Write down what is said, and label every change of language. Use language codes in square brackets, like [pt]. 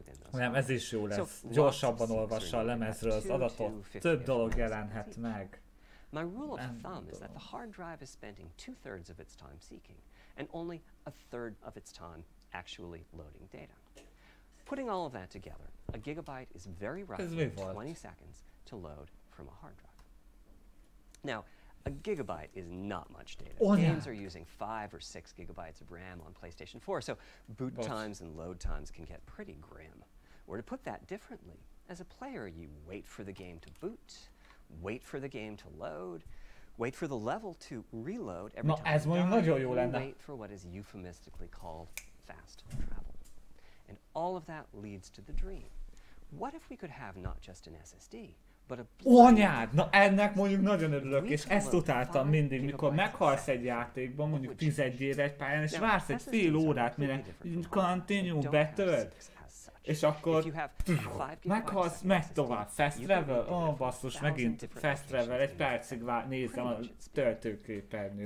[hu] Nem, ez is jó lesz. Gyorsabban olvassa a lemezről az adatot. Több dolog jelenhet meg. [en] My rule of thumb is that the hard drive is spending 2/3 of its time seeking, and only 1/3 of its time actually loading data. Putting all of that together, a gigabyte is very roughly 20 seconds to load from a hard drive. Now, a gigabyte is not much data. Games are using 5 or 6 gigabytes of RAM on PlayStation 4, so boot times and load times can get pretty grim. Or to put that differently, as a player, you wait for the game to boot, wait for the game to load, wait for the level to reload every time. [hu] Ez mondjuk nagyon jó lenne. [en] Wait for what is euphemistically called fast travel. And all of that leads to the dream. What if we could have not just an SSD, but a... [hu] Anyád! Na ennek mondjuk nagyon örülök, és ezt utáltam mindig, mikor meghalsz egy játékban, mondjuk 11-ére egy pályán, és vársz egy fél órát, mire continue, betölt. És akkor meghalsz, megy tovább, fast travel, ó, basszus, megint fast travel, egy percig nézem a töltőképernyőt.